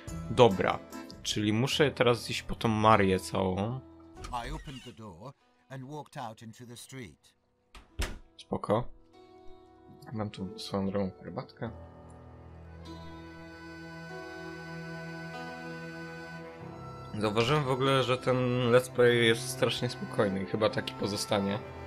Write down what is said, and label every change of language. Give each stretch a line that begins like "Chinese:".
Polish: Dobra. Czyli muszę teraz iść po tą Marię całą.
English: I opened the door and walked out into the street.
Polish: Spoko. Mam tu swoją drogą herbatkę. Zauważyłem w ogóle, że ten let's play jest strasznie spokojny i chyba taki pozostanie.